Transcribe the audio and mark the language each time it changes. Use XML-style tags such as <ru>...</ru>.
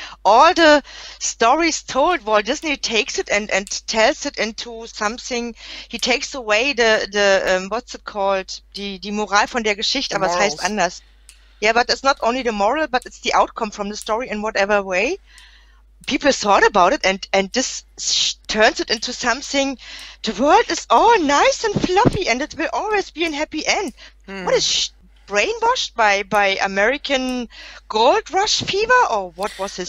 <en>All the stories told, Walt Disney takes it and tells it into something. He takes away the what's it called?</en> <de>Die Moral von der Geschichte, aber es heißt anders.</de> <en>Yeah, but it's not only the moral, but it's the outcome from the story in whatever way. People thought about it and this turns it into something. The world is all nice and fluffy and it will always be a happy end. What is brainwashed by American gold rush fever, or what was his</en>